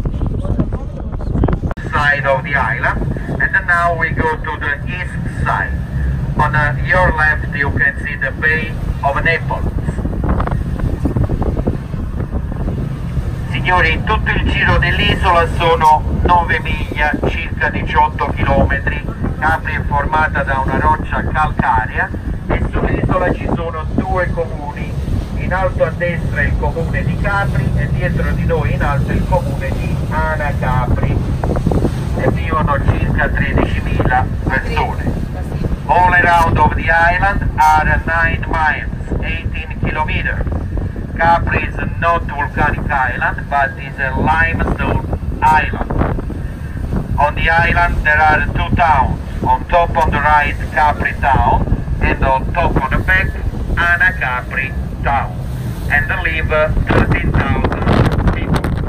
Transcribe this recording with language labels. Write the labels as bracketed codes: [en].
[en] side of the island, and then now we go to the east side. On your left you can see the Bay of Naples. [it] Signori, tutto il giro dell'isola sono 9 miglia, circa 18 chilometri. Capri è formata da una roccia calcarea e sull'isola ci sono due comuni. In alto a destra il comune di Capri e dietro di noi in alto il comune di Ana Capri. E vivono circa 13.000 persone. [en] All around of the island are 9 miles, 18 kilometers. Capri is not volcanic island, but is a limestone island. On the island there are two towns, on top on the right Capri town, and on top on the back Ana Capri town, and live 13,000 people.